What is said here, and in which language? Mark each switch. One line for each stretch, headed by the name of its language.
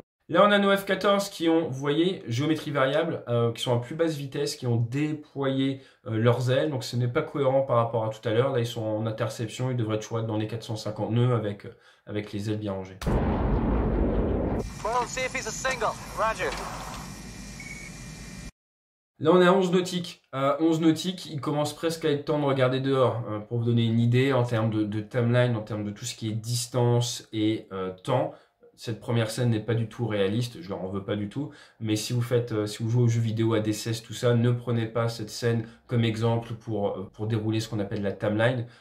French: Là, on a nos F-14 qui ont, vous voyez, géométrie variable, qui sont à plus basse vitesse, qui ont déployé leurs ailes. Donc, ce n'est pas cohérent par rapport à tout à l'heure. Là, ils sont en interception. Ils devraient toujours être dans les 450 nœuds avec les ailes bien rangées.
English: Well, see if he's a single. Roger.
French: Là, on est à 11 nautiques. À 11 nautiques, il commence presque à être temps de regarder dehors. Pour vous donner une idée, en termes de timeline, en termes de tout ce qui est distance et temps, cette première scène n'est pas du tout réaliste, je leur en veux pas du tout. Mais si vous jouez aux jeux vidéo à DCS, tout ça, ne prenez pas cette scène comme exemple pour dérouler ce qu'on appelle la timeline.